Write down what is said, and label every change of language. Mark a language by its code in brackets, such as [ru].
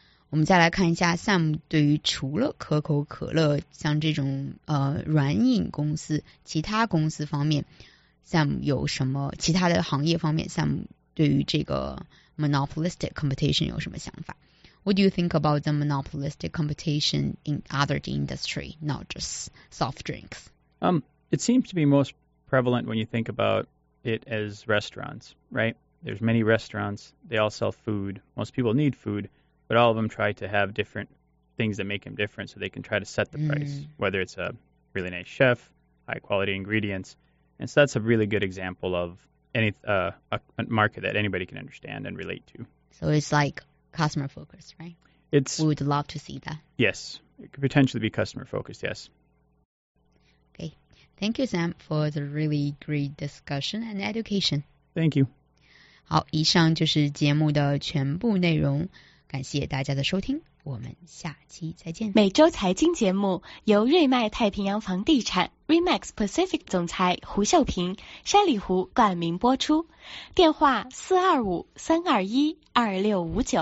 [zh] 我们再来看一下 Sam 对于除了可口可乐像这种软饮公司，其他公司方面 Sam 有什么，其他的行业方面 Sam 对于这个monopolistic competition 有什么想法？ [en] What do you think about the monopolistic competition in other industry, not just soft drinks? It seems to be most prevalent when you think about it as restaurants, right? There's many restaurants, they all sell food. Most people need food, but all of them try to have different things that make them different so they can try to set the price, whether it's a really nice chef, high quality ingredients. And so that's a really good example of a market that anybody can understand and relate to. So it's like customer focused, right? We would love to see that. Yes, it could potentially be customer focused, yes. Okay, thank you, Sam, for the really great discussion and education. Thank you. [zh] 好，以上就是节目的全部内容，感谢大家的收听，我们下期再见。每周财经节目由瑞迈太平洋房地产REMAX Pacific 总裁胡秀平、山里胡冠名播出，电话4253212659。